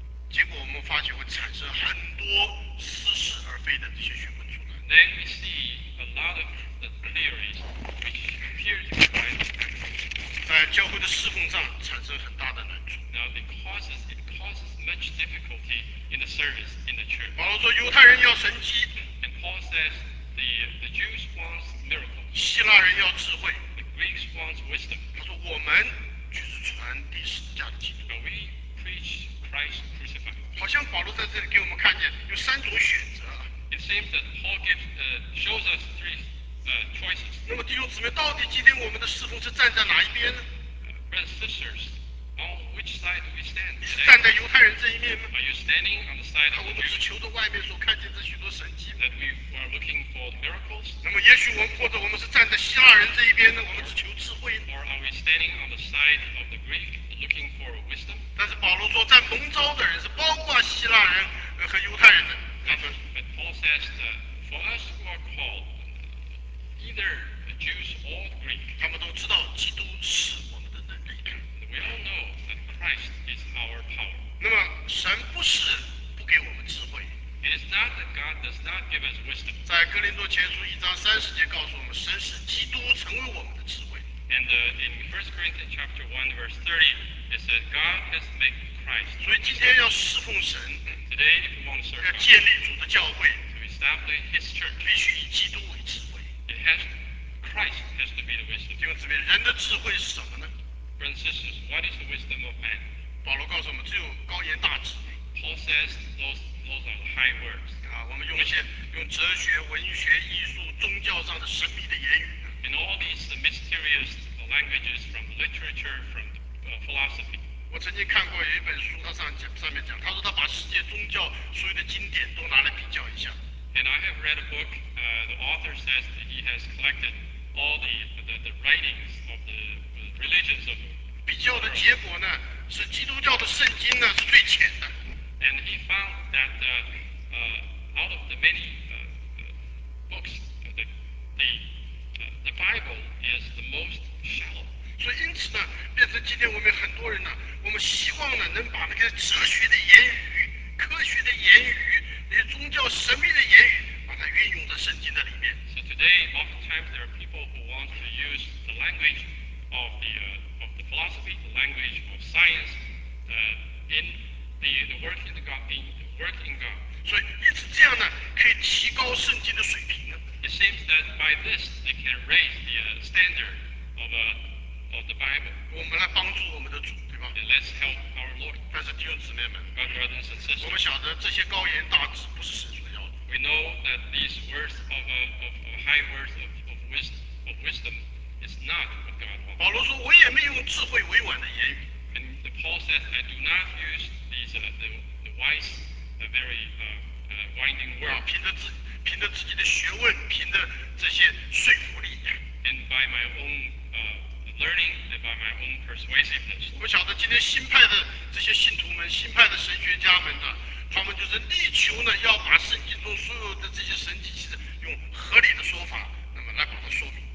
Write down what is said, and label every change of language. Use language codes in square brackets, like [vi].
[zh] 结果我们发现会产生很多似是而非的这些学问出来。 [en] Then we see a lot of the theories which appear to be right. [zh] 在教会的侍奉上产生很大的难处。 [en] Now it causes much difficulty in the service in the church. [zh] 保罗说犹太人要神迹。 [en] And Paul says the Jews want miracles. [zh] 希腊人要智慧。 [en] The Greeks want wisdom. [zh] 他说我们就是传递十字架的基督。 [en] But we preach Christ. [zh] 好像保罗在这里给我们看见有三种选择。 [en] It seems that Paul shows us three choices. [zh] 那么弟兄姊妹，到底今天我们的侍奉是站在哪一边呢？ [en] Brothers and sisters, on which side do we stand? [zh] 你是站在犹太人这一面吗？ [en] Are you standing on the side of the Jews? [zh] 我们只求着外面所看见这许多神迹。 [en] That we are looking for miracles. [zh] 那么也许我们或者我们是站在希腊人这一边呢？我们只求智慧。 [en] Or are we standing on the side of the Greek? Looking for wisdom. [zh] 但是保罗说，在蒙召的人是包括希腊人和犹太人的。 [en] But Paul says that for us who are called, either Jews or Greek, [zh] 他们都知道基督是我们的能力。 [en] We all know that Christ is our power. [zh] 那么神不是不给我们智慧。 [en] It is not that God does not give us wisdom. [zh] 在哥林多前书一章三十节告诉我们，神是基督成为我们的智慧。 [en] And in 1 Corinthians chapter 1, verse 30, it says, God has made Christ. [zh] 所以今天要侍奉神， [en] today, if you want to serve God, [zh] 要建立主的教会， [en] to establish his church, [zh] 必须以基督为智慧。 [en] Christ has to be the wisdom. [zh] 弟兄姊妹，人的智慧是什么呢？ [en] Brothers and sisters, what is the wisdom of man? [zh] 保罗告诉我们，只有高言大志。 [en] Paul says those are high words. [zh] 啊，我们用哲学、文学、艺术、宗教上的神秘的言语。 [en] In all these mysterious languages from literature, from philosophy. [zh] 我曾经看过有一本书，它上面讲，他说他把世界宗教所有的经典都拿来比较一下。 [en] And I have read a book. The author says that he has collected all the writings of the religions of. [zh] 比较的结果呢，是基督教的圣经呢是最浅的。 [en] And he found that out of the many books, the Bible is the most shallow. [zh] 所以因此呢，变成今天我们很多人呢，我们希望呢，能把那个哲学的言语、科学的言语、那些宗教神秘的言语，把它运用在圣经的里面。 [en] So today, oftentimes there are people who want to use the language of the philosophy, the language of science, in the work in the God, in the work in God. [zh] 所以因此这样呢，可以提高圣经的水平呢。 [en] It seems that by this they can raise the standard of the Bible. [zh] 我们来帮助我们的主，对吧？ [en] And let's help our Lord. [zh] 但是弟兄姊妹们， [en] But brothers and sisters, [zh] 我们晓得这些高言大志不是神所要的。 [en] We know that these words of high words of wisdom is not what God wants. [zh] 保罗说，我也没用智慧委婉的言语。 [en] And Paul says, I do not use these the wise a very winding road. [zh] 凭着自己的学问，凭着这些说服力。 [en] And by my own learning, and by my own persuasiveness. [zh] 我晓得今天新派的这些信徒们、新派的神学家们呢，他们就是力求呢，要把圣经中所有的这些神迹奇事用合理的说法，那么来把它说明。